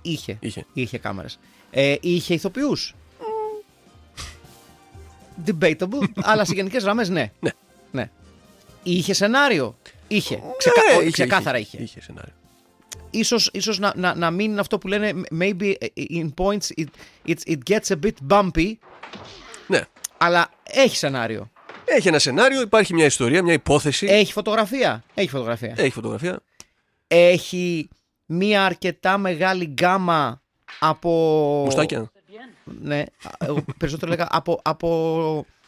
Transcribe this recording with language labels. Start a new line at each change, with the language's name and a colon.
Greek: Είχε. Είχε, είχε κάμερες. Είχε ηθοποιούς.
English: Debatable.
Greek: Αλλά σε γενικές γραμμές, ναι. Ναι. Ναι. Είχε σενάριο. Είχε. Ξεκάθαρα είχε. Είχε σενάριο. Ίσως να μην είναι αυτό που λένε.
English: Maybe in points it gets a bit bumpy.
Greek: Ναι. Αλλά έχει σενάριο. Έχει ένα σενάριο, υπάρχει μια ιστορία, μια υπόθεση. Έχει φωτογραφία. Έχει φωτογραφία. Έχει φωτογραφία. Έχει μια αρκετά μεγάλη γκάμα από. Μουστάκια. Ναι. Περισσότερο λέγα από.